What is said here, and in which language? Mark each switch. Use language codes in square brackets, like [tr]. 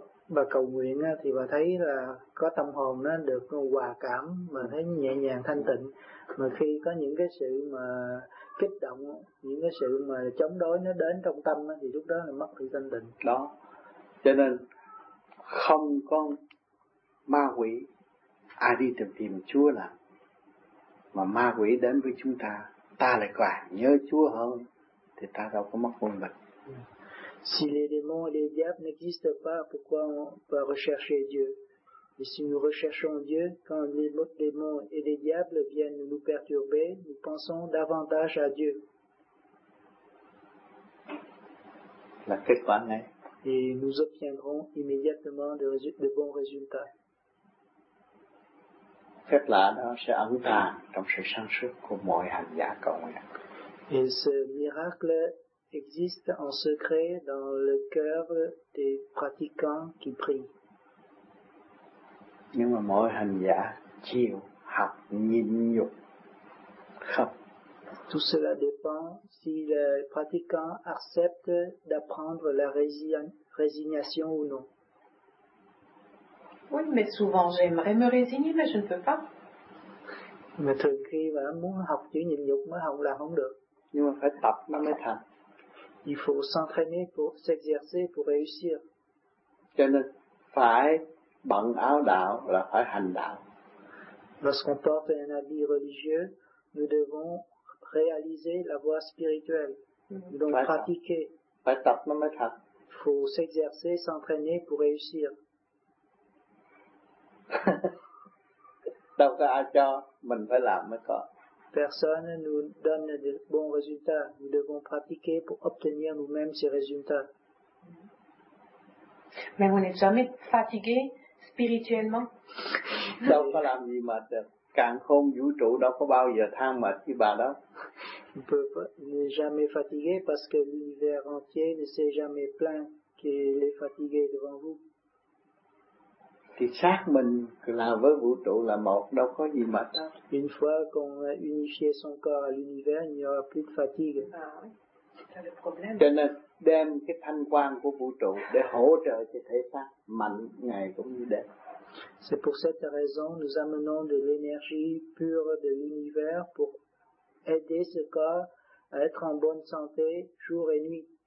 [vi] Bà cầu nguyện thì bà thấy là có tâm hồn nó được hòa cảm mà thấy nhẹ nhàng thanh tịnh, mà khi có những cái sự mà kích động, những cái sự mà chống đối nó đến trong tâm thì lúc đó là mất sự thanh tịnh đó. Cho nên không có ma quỷ ai đi tìm Chúa làm, mà ma quỷ đến với chúng ta, ta lại càng nhớ Chúa hơn thì ta đâu có mất quân bình. [fr] Si les démons et les diables n'existent pas, pourquoi on peut rechercher Dieu? Et si nous recherchons Dieu, quand les démons et les diables viennent nous perturber, nous pensons davantage à Dieu. La quête va naître. Et nous obtiendrons immédiatement de bons résultats. [vi] Phép lạ đó sẽ ẩn tàng trong sự sáng suốt của mọi hành giả cầu nguyện. [fr] Et ce miracle existe en secret dans le cœur des pratiquants qui prient. [vi] Nhưng mà mỗi hành giả chịu học nhịn nhục không? [fr] Tout cela dépend si le pratiquant accepte d'apprendre la résignation ou non. Oui, mais souvent j'aimerais me résigner, mais je ne peux pas. [vi] Mais thường khi mà muốn học chữ nhịn nhục mới học là không được. Nhưng mà phải tập nó mới thành. [fr] Il faut s'entraîner pour s'exercer pour réussir. [vi] Cho nên phải bận áo đạo là phải hành đạo. [fr] Lorsqu'on porte un habit religieux, nous devons réaliser la voie spirituelle, donc [vi] phải [fr] pratiquer. [vi] Phải tập nó mới thành. [fr] Il faut s'exercer, s'entraîner pour réussir. [vi] Đâu có ai cho, mình phải làm mới có. [fr] Personne ne nous donne de bons résultats. Nous devons pratiquer pour obtenir nous-mêmes ces résultats. Mais vous n'êtes jamais fatigué spirituellement? [vi] Đâu có làm gì mà được. Càng khôn vũ trụ đâu có bao giờ than mệt như bà đâu. [fr] On ne peut jamais fatigué parce que l'univers entier ne s'est jamais plaint qu'il est fatigué devant vous. [vi] Thì xác mình là với vũ trụ là một, đâu có gì mệt đâu. [fr] Une fois qu'on a unifié son corps à l'univers, il n'y aura plus de fatigue. Ah oui, c'est le problème. [vi] Cho nên đem cái thanh quang của vũ trụ để hỗ trợ cho thể xác mạnh ngày cũng như đêm. [fr] C'est pour cette raison nous amenons de l'énergie pure de l'univers pour aider ce corps à être en bonne santé jour et nuit.